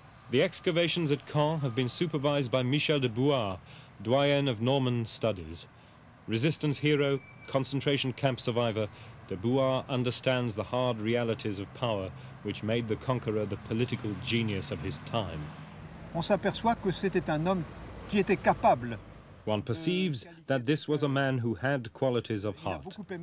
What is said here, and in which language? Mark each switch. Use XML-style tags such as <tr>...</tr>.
<en>The excavations at Caen have been supervised by Michel de Bois, doyen of Norman studies. Resistance hero, concentration camp survivor, de Bois understands the hard realities of power which made the conqueror the political genius of his time.</en> <fr>On s'aperçoit que c'était un homme qui était capable.</fr> <en>One perceives that this was a man who had qualities of heart.</en>